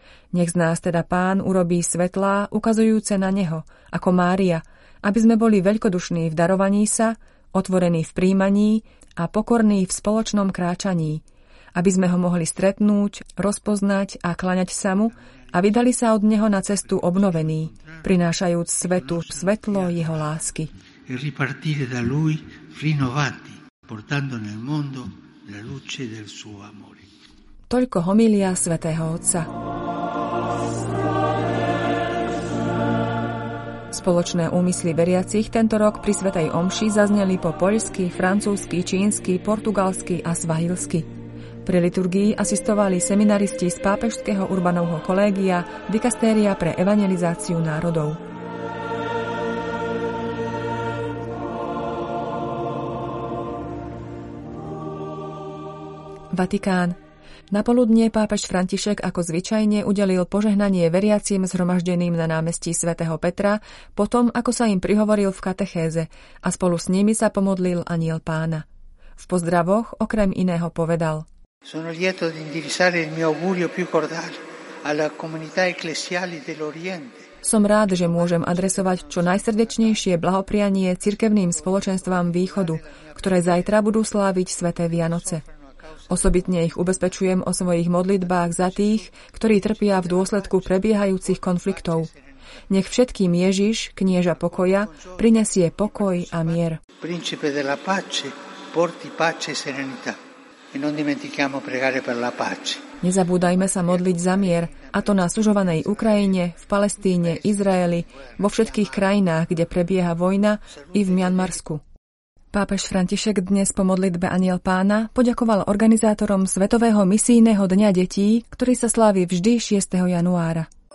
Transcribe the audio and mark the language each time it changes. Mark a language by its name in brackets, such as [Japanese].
[Slovak] Nech z nás teda Pán urobí svetlá, ukazujúce na Neho, ako Mária, aby sme boli veľkodušní v darovaní sa, otvorení v príjmaní a pokorní v spoločnom kráčaní, aby sme ho mohli stretnúť, rozpoznať a klaňať sa mu a vydali sa od Neho na cestu obnovený, prinášajúc svetu svetlo Jeho lásky. [Italian] E ripartire da lui rinnovati, portando nel mondo la luce del suo amore. [Slovak] Toľko homilia Svätého Otca. Spoločné úmysly veriacich tento rok pri Svätej omši zazneli po poľsky, francúzsky, čínsky, portugalsky a svahilsky. Pri liturgii asistovali seminaristi z pápežského urbanovho kolégia Dikastéria pre evangelizáciu národov. Vatikán. Napoludnie pápež František ako zvyčajne udelil požehnanie veriacim zhromaždeným na námestí svätého Petra, potom ako sa im prihovoril v katechéze a spolu s nimi sa pomodlil anjel Pána. V pozdravoch okrem iného povedal: [Italian] Sono lieto di indirizzare il mio augurio più cordiale alla comunità ecclesiale dell'Oriente. [Slovak] Som rád, že môžem adresovať čo najsrdečnejšie blahoprianie cirkevným spoločenstvám východu, ktoré zajtra budú sláviť sväté Vianoce. Osobitne ich ubezpečujem o svojich modlitbách za tých, ktorí trpia v dôsledku prebiehajúcich konfliktov. Nech všetkým Ježiš, knieža pokoja, prinesie pokoj a mier. [Italian] Principe della pace, porti pace e serenità. E non dimentichiamo pregare per la pace. [Slovak] Nezabúdajme sa modliť za mier, a to na sužovanej Ukrajine, v Palestíne, Izraeli, vo všetkých krajinách, kde prebieha vojna, i v Mianmarsku. Pápež František dnes po modlitbe Anjel Pána poďakoval organizátorom Svetového misijného dňa detí, ktorý sa slávi vždy 6. januára.